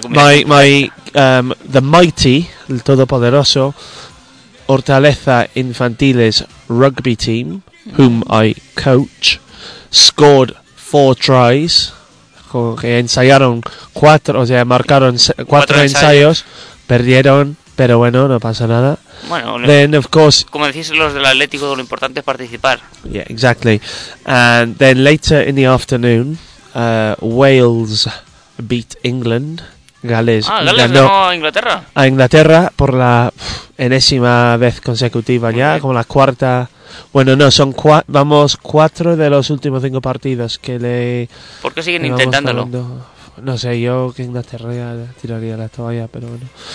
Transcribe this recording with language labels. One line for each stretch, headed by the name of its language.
English: combinación. The mighty,
Spanish: el todopoderoso
English: Hortaleza Infantiles rugby team, whom I coach, scored 4 tries.
Spanish: Que ensayaron 4, o sea, marcaron 4 ensayos. Perdieron, pero bueno, no pasa nada. Bueno,
English: then, of course,
Spanish: como decís los del Atlético, lo importante es participar.
English: Yeah, exactly. And then later in the afternoon, Wales beat England.
Spanish: Gales ganó a Inglaterra. A Inglaterra por la enésima vez consecutiva ya, como la cuarta. Bueno, no, son 4 de los últimos 5 partidos que le... ¿Por qué siguen intentándolo? Tomando. No sé, yo que Inglaterra ya tiraría la toalla, pero bueno.